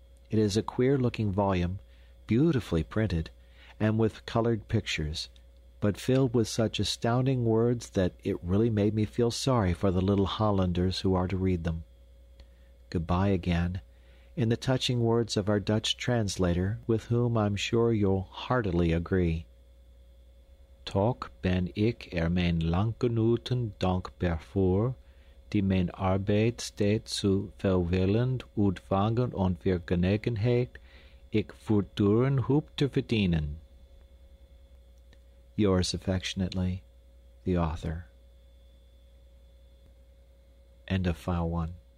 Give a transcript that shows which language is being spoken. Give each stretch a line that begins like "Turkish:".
English: It is a queer-looking volume, beautifully printed, and with colored pictures, but filled with such astounding words that it really made me feel sorry for the little Hollanders who are to read them. Goodbye again, in the touching words of our Dutch translator, with whom I'm sure you'll heartily agree.
Dutch: Toch ben ik er mijn langgenoten dankbaar voor, die mijn arbeid steeds zo welwillend ontvangen en weer genegenheid ik voortdurend hoop te verdienen.
English: Yours affectionately, the author. End of file 1.